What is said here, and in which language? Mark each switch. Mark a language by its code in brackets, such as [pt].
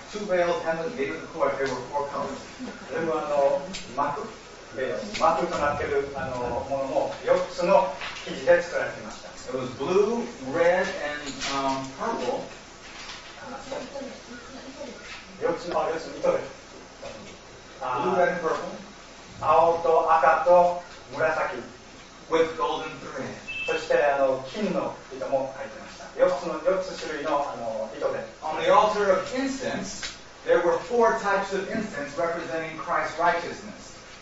[en] two veils and the veil of the court there were four colors. [ja] 全部幕。幕となっているものも4つの生地で作られていました。 [en] It was blue, red, and purple. [ja] 4つの色です。 [en] Blue, red, and purple. [ja] 青と赤と紫。 [en] With golden thread. [ja] そして金の糸も入っていました。 4つ種類の糸で。 [en] On the altar of incense, there were four types of incense representing Christ's righteousness.